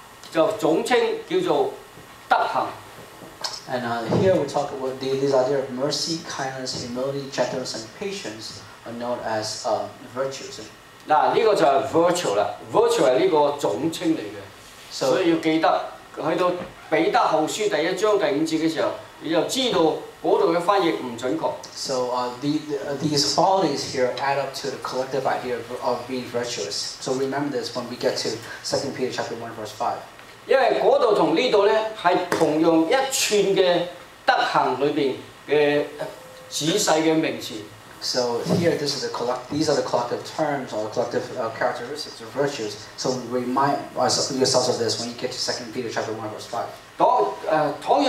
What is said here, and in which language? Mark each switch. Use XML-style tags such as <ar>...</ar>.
<zh>这里说,圣洁,怜悯,恩慈,谦虚,温柔,忍耐,加起身来,总括,就总称叫做德行。</zh> <en>And here we talk about these ideas of mercy, kindness, humility, gentleness, and patience are known as virtues.</en> <zh>这个就是virtue,virtue是这个总称来的,所以要记得,去到彼得后书第一章第五节的时候, 你就知道那里的翻译不准确。</zh> <en>So these qualities here add up to the collective idea of being virtuous. So remember this when we get to 2 Peter chapter 1 verse 5.</en> <zh>因为那里和这里是同样一串的德行里面的仔细的名词。</zh> <en>So here this is these are the collective terms or the collective characteristics or virtues. So remind yourselves of this when you get to 2 Peter chapter 1 verse 5.</en>